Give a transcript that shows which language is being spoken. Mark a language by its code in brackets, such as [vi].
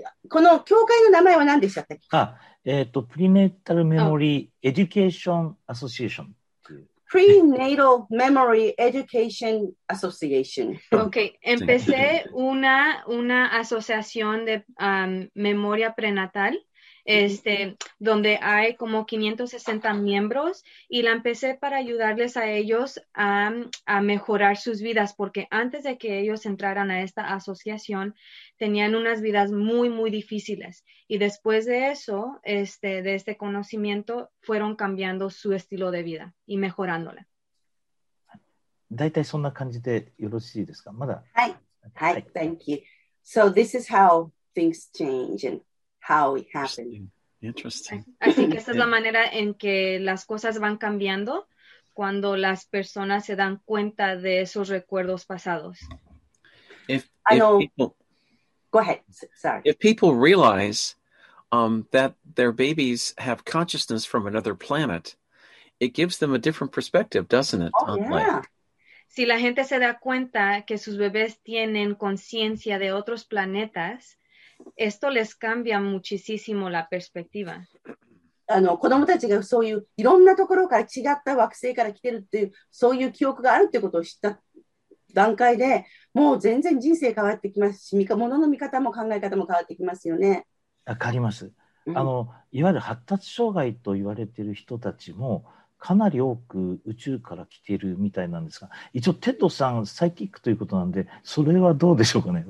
[ja] この教会の名前は何でしたっけ？プリネータルメモリーエデュケーションアソシエーション。プリネータルメモリーエデュケーションアソシエーション。 OK. [es] Empecé una asociación de memoria prenatal, donde hay como 560 miembros, y la empecé para ayudarles a ellos a mejorar sus vidas, porque antes de que ellos entraran a esta asociación, tenían unas vidas muy, muy difíciles. Y después de eso, de este conocimiento, fueron cambiando su estilo de vida y mejorándola. [ja] だいたいそんな感じでよろしいですか？まだ。はい。はい。 [en] Thank you. So this is how things change and how it happened. Interesting. [es] Así que esa es la manera en que las cosas van cambiando cuando las personas se dan cuenta de esos recuerdos pasados. [en] Go ahead. Sorry. If people realize that their babies have consciousness from another planet, it gives them a different perspective, doesn't it? Oh, yeah. [es] Si la gente se da cuenta que sus bebés tienen conciencia de otros planetas, esto les cambia muchísimo la perspectiva. [ja] あの、子供たちがそういういろんなところから違った惑星から来てるっていう、そういう記憶があるってことを知った段階で、もう全然人生変わってきますし、物の見方も考え方も変わってきますよね。わかります。あの、いわゆる発達障害と言われている人たちも、かなり多く宇宙から来ているみたいなんですが、一応テッドさんサイキックということなんで、それはどうでしょうかね。